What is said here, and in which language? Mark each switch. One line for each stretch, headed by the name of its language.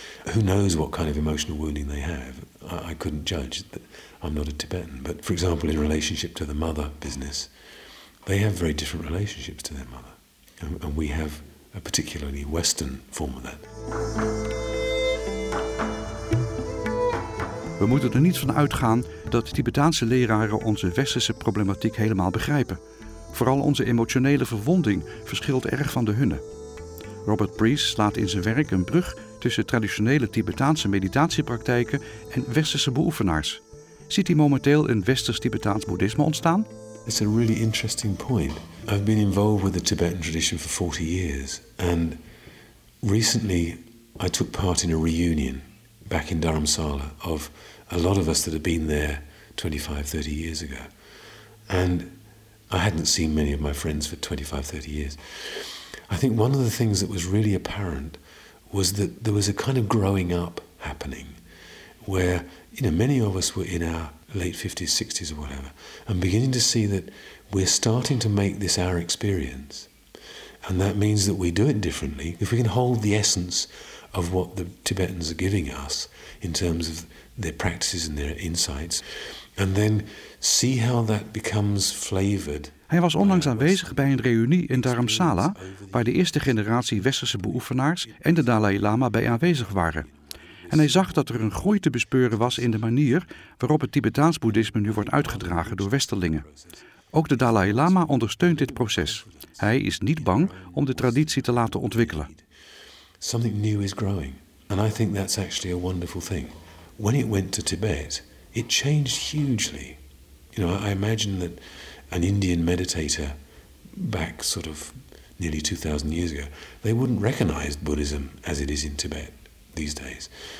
English: Who knows what kind of emotional wounding they have? I couldn't judge. I'm not a Tibetan, but for example, in relationship to the mother business, they have very different relationships to their mother. And we have a particularly Western form of that.
Dutch: We moeten er niet van uitgaan dat Tibetaanse leraren onze westerse problematiek helemaal begrijpen. Vooral onze emotionele verwonding verschilt erg van de hunne. Robert Priest slaat in zijn werk een brug tussen traditionele Tibetaanse meditatiepraktijken en westerse beoefenaars. Ziet hij momenteel een westers Tibetaans boeddhisme ontstaan?
English: It's a really interesting point. I've been involved with the Tibetan tradition for 40 years. And recently I took part in a reunion back in Dharamsala of a lot of us that had been there 25, 30 years ago. And I hadn't seen many of my friends for 25, 30 years. I think one of the things that was really apparent was that there was a kind of growing up happening where, you know, many of us were in our late 50s, 60s or whatever, and beginning to see that we're starting to make this our experience. And that means that we do it differently. If we can hold the essence of what the Tibetans are giving us in terms of their practices and their insights, and then see how that becomes flavored.
Dutch: Hij was onlangs aanwezig bij een reunie in Dharamsala, waar de eerste generatie westerse beoefenaars en de Dalai Lama bij aanwezig waren. En hij zag dat er een groei te bespeuren was in de manier waarop het Tibetaans boeddhisme nu wordt uitgedragen door westerlingen. Ook de Dalai Lama ondersteunt dit proces. Hij is niet bang om de traditie te laten ontwikkelen.
English: Something new is growing. And I think that's actually a wonderful thing. When it went to Tibet, it changed hugely. You know, I imagine that an Indian meditator back sort of nearly 2000 years ago, they wouldn't recognize Buddhism as it is in Tibet these days.